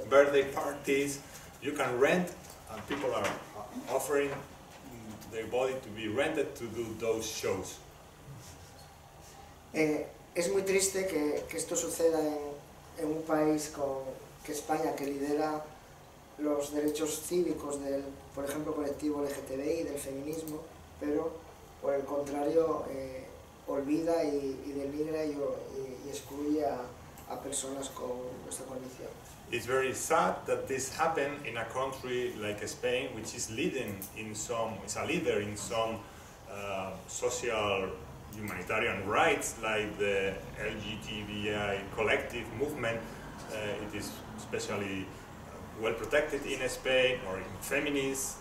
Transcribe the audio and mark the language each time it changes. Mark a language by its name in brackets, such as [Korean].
[English] Birthday parties, you can rent, and people are offering their body to be rented to do those shows. [Spanish] Es muy triste que esto suceda en un país con que España, que lidera los derechos cívicos del, por ejemplo, colectivo LGTBI, del feminismo, pero por el contrario, olvida y denigra y excluye a personas con nuestra condición. [English] It's very sad that this happened in a country like Spain, which is leading in some, is a leader in some social humanitarian rights, like the LGBTI collective movement. It is especially well protected in Spain, or in feminists.